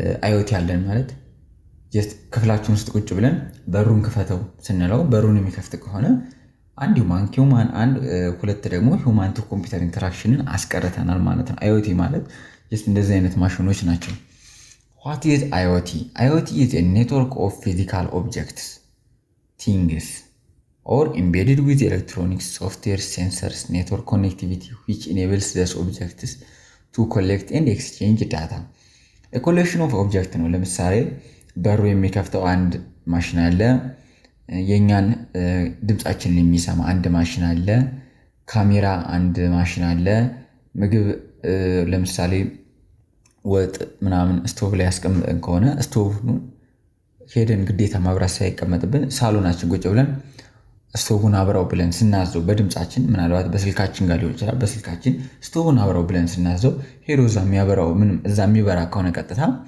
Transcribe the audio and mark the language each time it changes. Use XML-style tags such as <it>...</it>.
<am>IOT አለን ማለት just ክፍላችን ውስጥ ቁጭ ብለን በሩን ከፈተው ስንለው በሩን የሚከፍት ከሆነ አንድ ሂማን ኪውማን አንድ ሁለት ደግሞ ሂማን ቱ ኮምፒውተር ኢንተራክሽንን አስቀረተናል ማለት ነው። IOT ማለት just እንደዚህ አይነት ማሽኖች ናቸው።</am> <en>What is IOT? IOT is a network of physical objects, things, or embedded with electronics, software, sensors, network connectivity, which enables those objects to collect and exchange data. A collection of objects,</en> <am>ነው ለምሳሌ በሩ የሚከፍተው አንድ ማሽን አለ፣ የኛን ድምጻችንን የሚሰማ አንድ ማሽን አለ፣ ካሜራ አንድ ማሽን አለ፣ ምግብ ለምሳሌ ወጥ ምናምን ስቶቭ ላይ ያስቀምጠን ከሆነ ስቶቭን ሄደን ግዴታ ማብራት ሳይቀመጥብን ሳሎናችን ቁጭ ብለን ስቶቭን አብራው ብለን ስናዘው በድምጻችን ምናልባት በስልካችን ጋር ሊሆን ይችላል በስልካችን ስቶቭን አብራው ብለን ስናዘው ሄዶ እዛ የሚያበራው ምንም እዛ የሚበራ ከሆነ ቀጥታ</am>